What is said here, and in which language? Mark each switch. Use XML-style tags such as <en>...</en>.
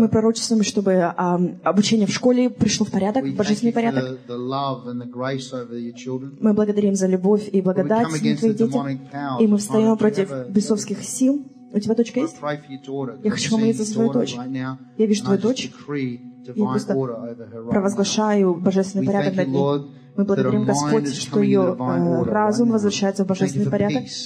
<ru>Мы пророчествуем, чтобы обучение в школе пришло в порядок, в божественный порядок.</ru> <en>The love and the grace over your children.</en> <ru>Мы благодарим за любовь и благодать над твоими детьми. И мы встаем против бесовских сил. У тебя дочка есть? Я хочу помолиться за твою дочь. Я вижу твою дочь. Я просто провозглашаю божественный порядок над ней. Мы благодарим Господь, что ее разум возвращается в божественный порядок.</ru>